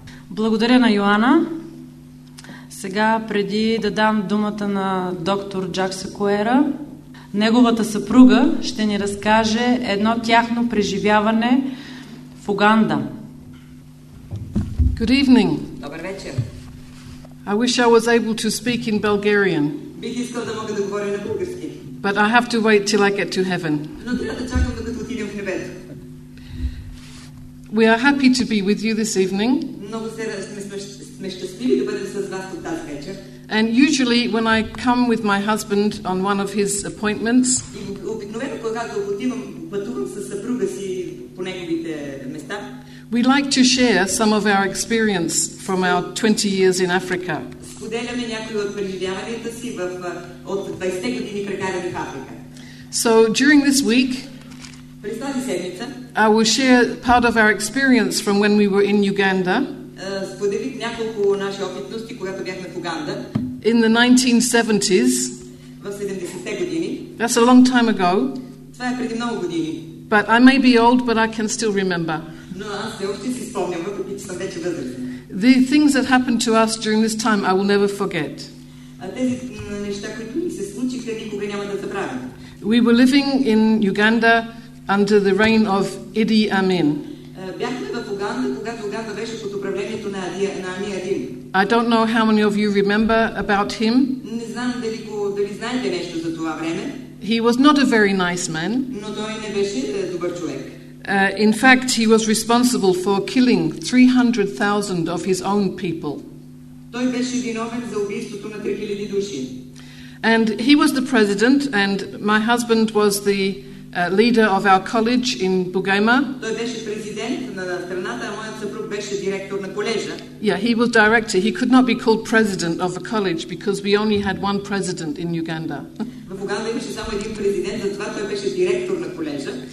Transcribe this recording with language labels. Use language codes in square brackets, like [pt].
[bg] Благодаря на Йоана. Сега, преди да дам думата на доктор Джак Секуера, неговата съпруга ще ни разкаже едно тяхно преживяване в Уганда. [en] Good evening. [bg] Добър вечер. [en] I wish I was able to speak in Bulgarian. [bg] Бих искал да мога да говоря на български. [en] But I have to wait till I get to heaven. [bg] Но трябва да чакам, докато отидем в небето. [en] We are happy to be with you this evening. [bg] Много се сме щастливи да бъдем с вас от тази вечер. [en] And usually when I come with my husband on one of his appointments, [bg] обикновено когато отивам, пътувам с съпруга си по неговите места, [en] we like to share some of our experience from our 20 years in Africa. [bg] Споделяме някои от преживяванията си от 20-те години прекарани в Африка. [en] So during this week, [bg] през тази седмица, [en] I will share part of our experience from when we were in Uganda. [bg] Споделих няколко наши опитности, когато бяхме в Уганда. [en] In the 1970s. [bg] В 70-те години. [en] That's a long time ago. [bg] Това е преди много години. [en] But I may be old, but I can still remember. [bg] Но аз все още си спомням, въпреки че съм вече възрастен. [en] The things that happened to us during this time I will never forget. [bg] Тези неща, които ни се случиха, никога няма да забравя. [en] We were living in Uganda under the reign of Idi Amin. [bg] Бяхме в Уганда, когато Уганда беше под управлението на Ами Адин. [en] I don't know how many of you remember about him. [bg] Не знам дали знаете нещо за това време. [en] He was not a very nice man. [bg] Но той не беше добър човек. [en] In fact, he was responsible for killing 300,000 of his own people. [bg] Той беше виновен за убийството на 3000 души. [en] And he was the president, and my husband was the leader of our college in Bugema. [bg] Той беше президент на страната, а моят съпруг беше директор на колежа. [en] Yeah, he was director. He could not be called president of a college because we only had one president in Uganda. [bg] В Уганда имаше само един президент, затова той беше директор на колежа.